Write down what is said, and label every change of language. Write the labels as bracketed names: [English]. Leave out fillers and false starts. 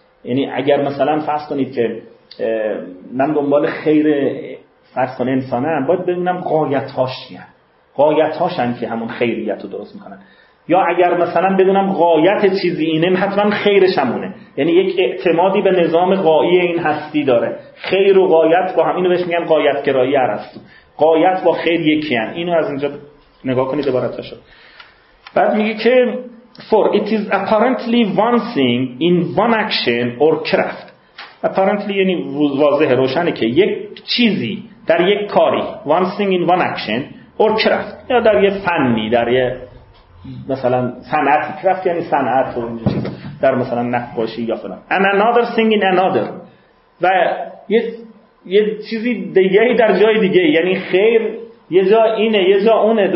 [Persian] یعنی اگر مثلا فرض کنید که من دنبال خیر فرض کنید انسان هم، باید ببینم غایت هاش چی هست، غایت هاش هم که همون خیریت رو درست میکنن، یا اگر مثلا بدونم غایت چیزی اینه حتما خیرش همونه، یعنی یک اعتمادی به نظام غایی این هستی داره. خیر و غایت با هم، اینو بهش میگن غایت گرایی ارسطو، غایت با خیر یکی هست. اینو از اینجا نگاه کنید عبارتاشو. بعد میگه که [English] For it is apparently one thing in one action or craft. [Persian] Apparently یعنی واضح روشنه که یک چیزی در یک کاری، [English] one thing in one action or craft، [Persian] یا در یه فنی، در یه مثلا صنعت، craft یعنی صنعت و اون چیز، در مثلا نقاشی یا فلان. [English] And another thing in another، [Persian] و یه چیزی دیگه در جای دیگه، یعنی خیر یه جا اینه یه جا اونه.